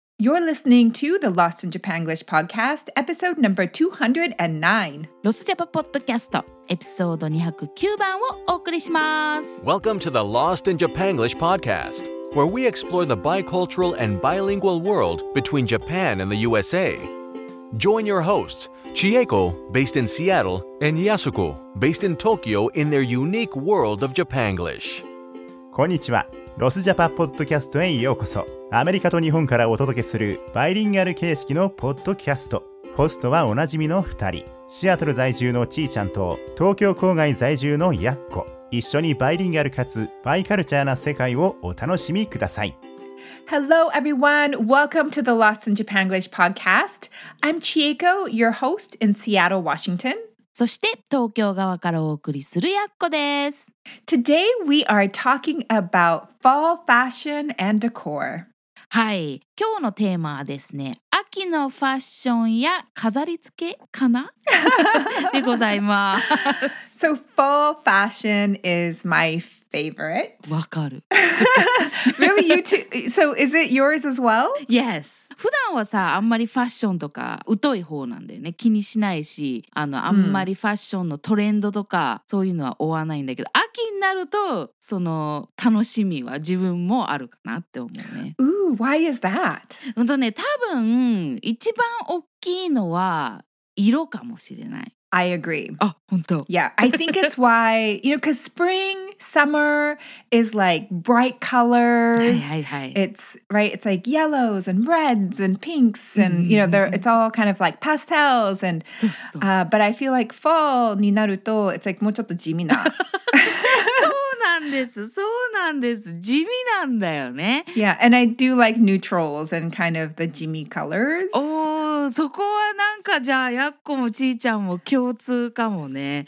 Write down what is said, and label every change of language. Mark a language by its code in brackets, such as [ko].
[en] You're listening to the Lost in Japanglish podcast, episode number 209. [ja] ロスジャパポッドキャスト、エピソード209番をお送りします。 [en] Welcome to the Lost in Japanglish podcast, where we explore the bicultural and bilingual world between Japan and the USA. Join your hosts, Chieko, based in Seattle, and Yasuko, based in Tokyo, in their unique world of Japanglish. [ja] こんにちは。ロスジャパポッドキャストへようこそ。アメリカと日本からお届けするバイリンガル形式のポッドキャスト。ホストはおなじみの2人、シアトル在住のちーちゃんと東京郊外在住のやっこ。一緒にバイリンガルかつバイカルチャーな世界をお楽しみください。 [en] Hello everyone, welcome to the Lost in Japanglish podcast. I'm Chieko, your host in Seattle, Washington. [ja] そして東京側からお送りするやっこです。 [en] Today we are talking about fall fashion and decor. [ja] はい、今日のテーマはですね、秋のファッションや飾り付けかなでございます。 [en] So fall fashion is my favorite. [ja] わかる。 [en] Really, you too? So is it yours as well? Yes. [ja] 普段はさ、あんまりファッションとか疎い方なんだよね。気にしないし、あんまりファッションのトレンドとか、そういうのは追わないんだけど、秋になると、その楽しみは自分もあるかなって思うね。 [en] Ooh, why is that? [ja] ね、多分、一番大きいのは、色かもしれない。 [en] I agree. [ja] あ、本当。 [en] Yeah, I think it's why, you know, because spring... Summer is like bright colors. [ja] はいはい、はい、 [en] it's right. It's like yellows and reds and pinks, and、mm-hmm. you know, there it's all kind of like pastels. And but I feel like fall [ja] になると [en] it's like [ja] もうちょっと地味な。そうなんです。地味なんだよね。 [en] Yeah, and I do like neutrals and kind of the 地味 colors. [ja] おー、そこはなんかじゃあやっこもちーちゃんも共通かもね。